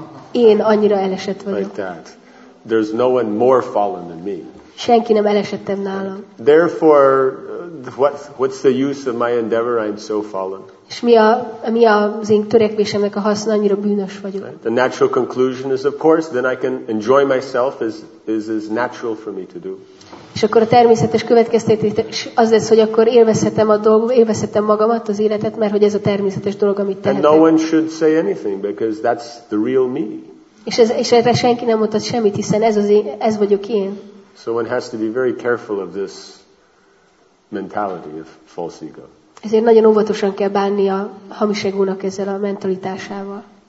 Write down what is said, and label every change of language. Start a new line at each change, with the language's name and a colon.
Hungarian: Én annyira elesett vagyok.
English: Like that. There's no one more fallen than me.
Hungarian: Senki nem elesettem nálam.
English: Therefore, what's the use of my endeavor? I'm so fallen.
Hungarian: És mi az én törekvésemnek a haszna, annyira bűnös vagyok.
English: The natural conclusion is, of course, then I can enjoy myself as natural for me to do.
Hungarian: És akkor a természetes következtetés az lesz, hogy akkor élvezhetem magamat, az életet, mert hogy ez a természetes dolog, amit tehetek.
English: And no one should say anything, because that's the real me.
Hungarian: És erre senki nem mondhat semmit, hiszen ez vagyok én.
English: So one has to be very careful of this mentality of false ego.
Hungarian: Ezért nagyon óvatosan kell bánni a hamis egónak ezzel a mentalitásával.